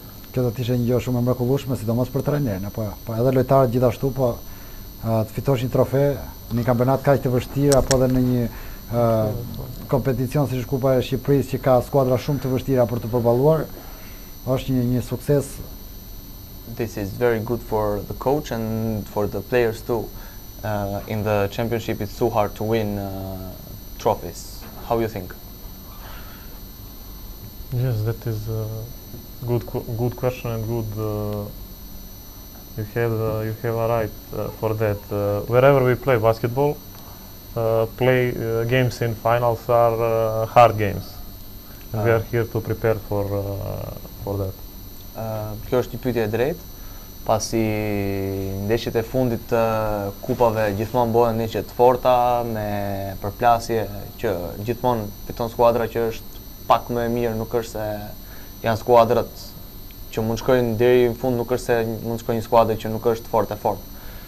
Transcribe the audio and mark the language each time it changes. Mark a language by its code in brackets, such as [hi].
[sq] Kjo do t'ishe një gjë shumë e mrekullueshme, sidomos për trajnerin, apo jo. Po edhe lojtarët gjithashtu, po të fitosh një trofe në një kampionat kaq të vështirë apo edhe në një kompeticion siç Kupa e Shqipërisë që ka skuadra shumë të vështira për të përballuar, është një sukses. [en] This is very good for the coach and for the players too. In the championship it's so hard to win trophies. How you think? Yes, that is a good question and good you have a right for that. Wherever we play basketball, games in finals are hard games. And we are here to prepare for that. [sq] Kjo është një pyetje e drejtë, pasi ndeshjet e fundit të kupave gjithmonë bëhen ndeshje të forta me përplasje që gjithmonë fiton skuadra që është pak më e mirë, nuk është se janë skuadrat që mund shkojnë deri në fund, nuk është se mund shkojnë një skuadër që nuk është fort e fort.